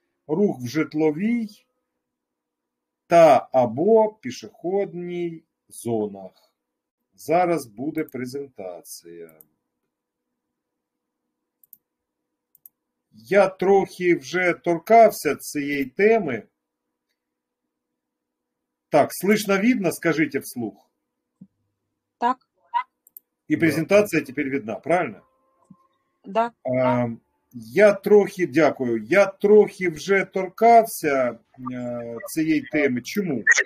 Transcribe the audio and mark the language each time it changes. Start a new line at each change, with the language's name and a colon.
Ukrainian: Рух в житловій та або пішохідній зонах. Зараз буде презентація. Я трохи вже торкався цієї теми.
Russian: Так, слышно, видно, скажите вслух. Так. И презентация теперь видна, правильно? Да.
Ukrainian: Я трохи, дякую, я трохи вже торкався цієї теми. Чому?